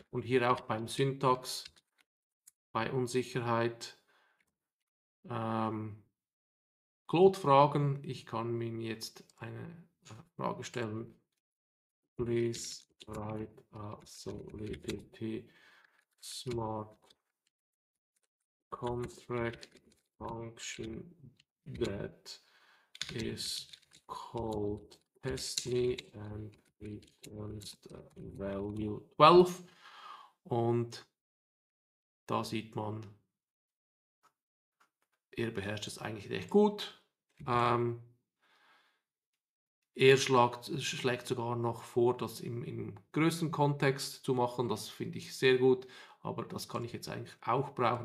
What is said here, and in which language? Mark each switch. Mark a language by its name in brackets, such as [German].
[German] Und hier auch beim Syntax, bei Unsicherheit, Claude fragen. Ich kann ihm jetzt eine Frage stellen. [English] Please write a Solidity smart contract function that is called test me and returns the value 12. [German] Und da sieht man, er beherrscht es eigentlich recht gut. Er schlägt sogar noch vor, das im größeren Kontext zu machen. Das finde ich sehr gut. Aber das kann ich jetzt eigentlich auch brauchen.